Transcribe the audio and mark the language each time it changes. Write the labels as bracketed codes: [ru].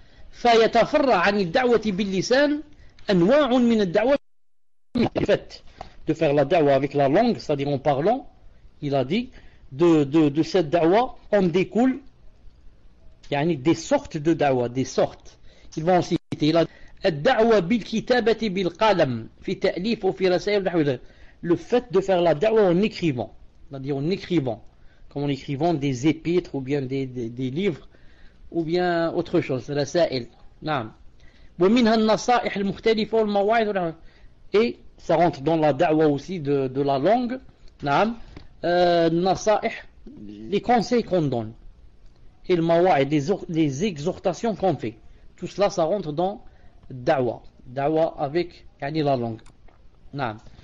[ar] Fa yatafarra 'an ad-da'wa bil lisan anwa' min ad-da'wa. [fr] Le fait de faire la da'wa avec la langue, c'est-à-dire en parlant, il a dit de cette da'wa on découle yani des sortes de da'wa, des sortes. Ils vont en citer là [ar] الدعوة بالكتابة بالقلم في تأليف وفي رسائل نحو ذلك. [fr] Le fait de faire la da'wa en écrivant, c'est-à-dire en écrivant, comme en écrivant des épîtres ou bien des livres ou bien autre chose, رسائل. [ar] نعم. ومنها النصائح المختلفة والمواعظ. [fr] Et ça rentre dans la da'wa aussi de la langue. [ar] نعم. [fr] النصائح, les conseils qu'on donne. Et le mawa'id, les exhortations qu'on fait. Tout cela, ça rentre dans Dawa avec yani la langue. Naam.